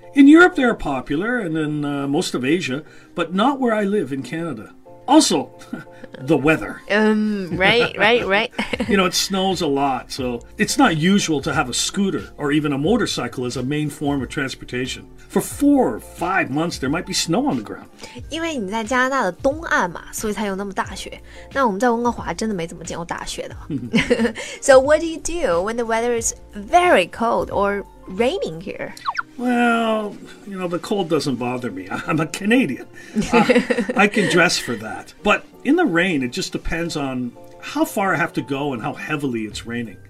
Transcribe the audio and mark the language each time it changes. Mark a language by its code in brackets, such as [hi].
[en] In Europe, they're popular, and in、most of Asia, but not where I live in Canada. Also, the weather. Right. You know, it snows a lot, so it's not usual to have a scooter or even a motorcycle as a main form of transportation. For 4 or 5 months, there might be snow on the ground. [zh] 因为你在加拿大的东岸嘛，所以才有那么大雪。那我们在温哥华真的没怎么见过大雪的。 [en] So what do you do when the weather is very cold or raining here? Well, you know, the cold doesn't bother me. I'm a Canadian. I can dress for that. But in the rain, it just depends on how far I have to go and how heavily it's raining.